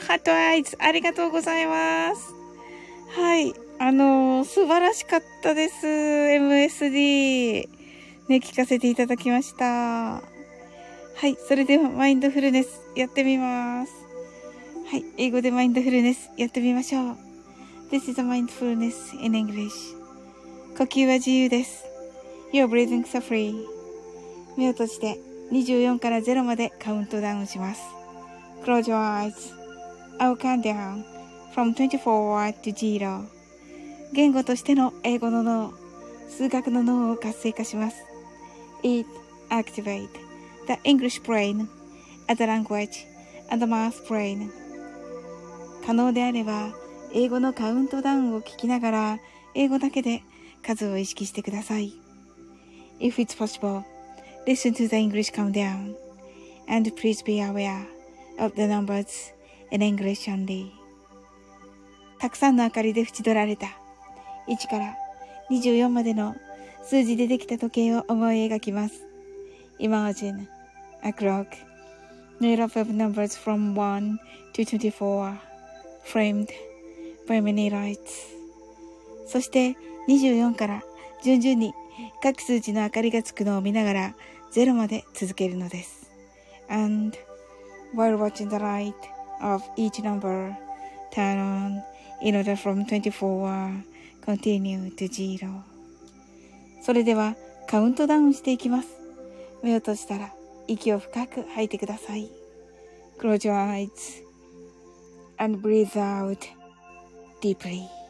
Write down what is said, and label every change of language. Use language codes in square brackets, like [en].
[ja] ハートアイズ、ありがとうございます。はい。素晴らしかったです。MSD。ね、聞かせていただきました。はい。それでは、マインドフルネス、やってみます。はい。英語でマインドフルネス、やってみましょう。 [en] This is a mindfulness in English. [ja] 呼吸は自由です。 [en] You're breathing so free. [ja] 目を閉じて、24から0までカウントダウンします。 [en] Close your eyes. I'll count down from 24 to 0. [ja] 言語としての英語の脳、数学の脳を活性化します。 [en] It activates the English brain as the language and the math brain. [ja] 可能であれば、英語のカウントダウンを聞きながら、英語だけで数を意識してください。 [en] If it's possible, listen to the English countdown. And please be aware. Of the numbers in English only. [ja] たくさんの明かりで縁取られた1から24までの数字でできた時計を思い描きます。 [en] Imagine a clock made up of numbers from 1 to 24 framed by many lights. [ja] そして24から順々に各数字の明かりがつくのを見ながら0まで続けるのです。 [en] AndWhile watching the light of each number turn on in order from 24 continue to zero. [ja] それではカウントダウンしていきます。目を閉じたら息を深く吐いてください。 [en] Close your eyes and breathe out deeply.